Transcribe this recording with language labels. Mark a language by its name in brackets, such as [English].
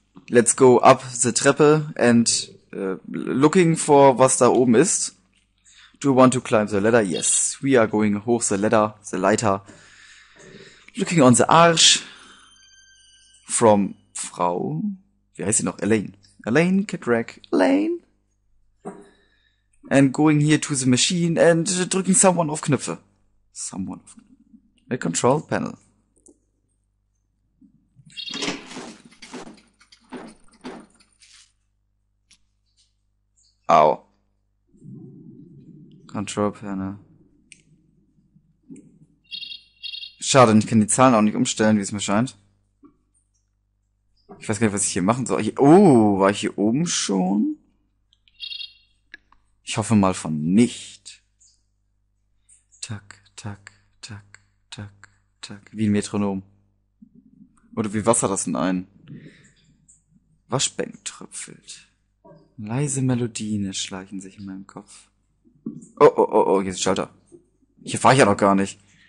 [English] Let's go up the Treppe and looking for [German] was da oben ist. [English] Do you want to climb the ladder? Yes, we are going [German] hoch [English] the leiter. Looking on the arch from [German] Frau, wie heißt sie noch? [English] Elaine, Kitrack, Elaine. And going here to the machine and [German] drücken [English] someone [German] auf Knöpfe. [English] Someone [German] auf Knöpfe. [English] A control panel. Au. Control Panel. [German] Schade, ich kann die Zahlen auch nicht umstellen, wie es mir scheint. Ich weiß gar nicht, was ich hier machen soll. War ich hier oben schon? Ich hoffe mal von nicht. Tack, tack, tack, tack, tack. Wie ein Metronom. Oder wie Wasser das in ein Waschbecken tröpfelt. Leise Melodien schleichen sich in meinem Kopf. Oh, hier ist ein Schalter. Hier fahre ich ja noch gar nicht.